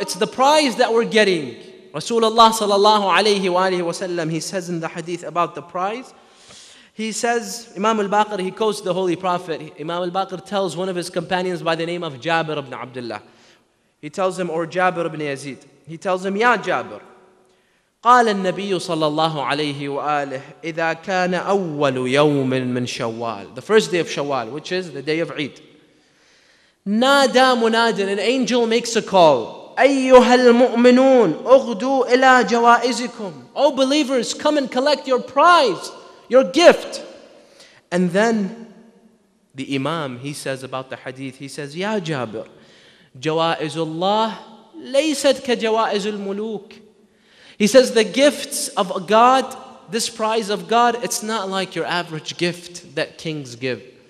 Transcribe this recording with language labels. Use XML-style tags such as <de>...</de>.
<en>It's the prize that we're getting. Rasulullah sallallahu alayhi wa alayhi wa sallam, he says in the hadith about the prize, he says, Imam al-Baqir, he quotes the Holy Prophet. Imam al-Baqir tells one of his companions by the name of Jabir ibn Abdullah. He tells him, or Jabir ibn Yazid. He tells him, Ya Jabir,</en> <ar>قال النبي صلى الله عليه وآله إذا كان أول يوم من شوال.</ar> <en>The first day of Shawwal, which is the day of Eid.</en> <ar>نادى مناد,</ar> <en>an angel makes a call.</en> <ar>أيها المؤمنون أغدو إلى جوائزكم.</ar> <en>O believers, come and collect your prize. Your gift. And then the Imam, he says about the hadith, he says, Ya Jabir,</en> <ar>Jawa'izullah laysat ka Jawa'izul Muluk.</ar> <en>He says, the gifts of God, this prize of God, it's not like your average gift that kings give.</en>